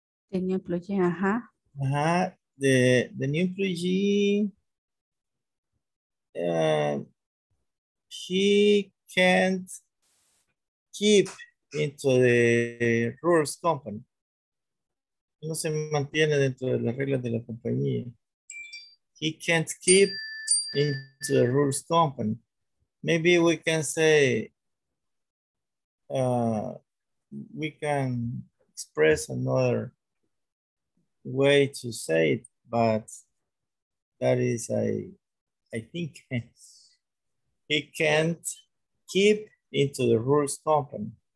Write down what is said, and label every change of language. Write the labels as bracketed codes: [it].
[en] the new employee, ajá. Ajá, the new employee, he can't keep into the rules company. [es] No se mantiene dentro de las reglas de la compañía. [en] He can't keep into the rules company. Maybe we can say, we can express another way to say it, but that is, I think he can't keep into the rules company.